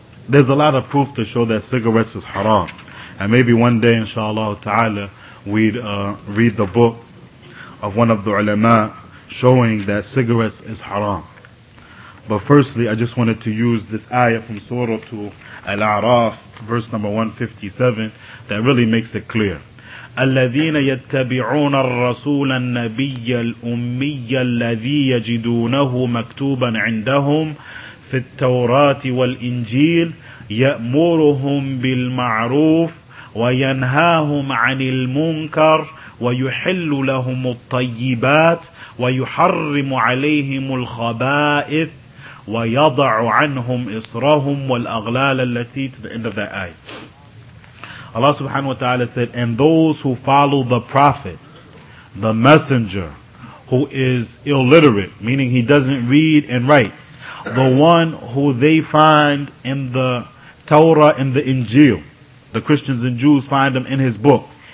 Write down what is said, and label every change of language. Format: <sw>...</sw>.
<en>There's a lot of proof to show that cigarettes is haram. And maybe one day, inshallah ta'ala, we'd read the book of one of the ulama showing that cigarettes is haram. But firstly, I just wanted to use this ayah from Surah to Al-A'raf, verse number 157, that really makes it clear.</en> <ar>الَّذِينَ يَتَّبِعُونَ الرَّسُولَ النَّبِيَّ الْأُمِّيَّ الَّذِي يَجِدُونَهُ مَكْتُوبًا عِنْدَهُمْ فِي التَّوْرَاةِ وَالْإِنْجِيلِ يأمرهم بالمعروف وينهاهم عن المنكر ويحل لهم الطيبات ويحرم عليهم الخبائث ويضع عنهم إصرهم والأغلال التي</ar> <en>to the end of that ayah. Allah subhanahu wa ta'ala said, and those who follow the prophet, the messenger, who is illiterate, meaning he doesn't read and write, the one who they find in the Torah and the Injil, the Christians and Jews find him in his book.</en>